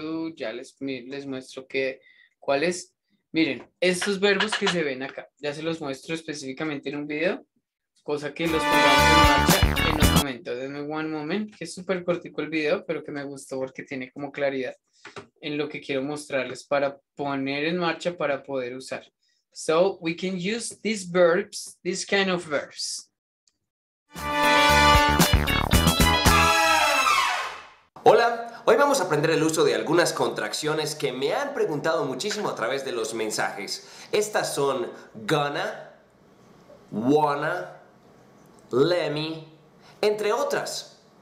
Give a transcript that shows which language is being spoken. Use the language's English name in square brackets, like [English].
[Spanish] Ya les muestro que, ¿cuál es? Miren, estos verbos que se ven acá, ya se los muestro específicamente en un video, cosa que los pongamos en marcha en un momento. Denme [English] one moment, [Spanish] que es súper cortico el video, pero que me gustó porque tiene como claridad en lo que quiero mostrarles para poner en marcha, para poder usar. [English] So, we can use these verbs, this kind of verbs. [Spanish] Hola, hoy vamos a aprender el uso de algunas contracciones que me han preguntado muchísimo a través de los mensajes. Estas son gonna, wanna, lemme, entre otras.